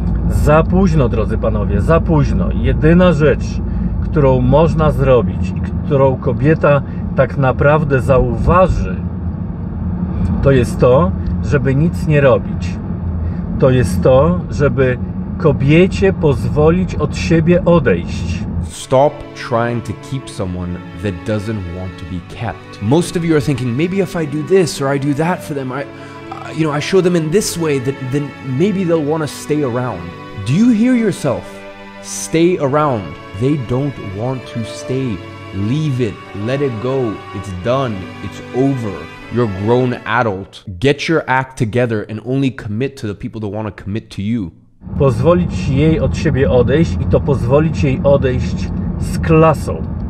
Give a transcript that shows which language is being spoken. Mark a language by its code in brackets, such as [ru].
[pl] Za późno, drodzy panowie, za późno. Jedyna rzecz, którą można zrobić i którą kobieta tak naprawdę zauważy, to jest to, żeby nic nie robić. To jest to, żeby kobiecie pozwolić od siebie odejść. [en] Stop trying to keep someone that doesn't want to be kept. Most of you are thinking, maybe if I do this or I do that for them, I show them in this way, that then maybe they'll want to stay around. Do you hear yourself? Stay around. They don't want to stay. Leave it. Let it go. It's done. It's over. You're a grown adult. Get your act together and only commit to the people that want to commit to you. [pl] Pozwolić jej od siebie odejść i to pozwolić jej odejść z klasą.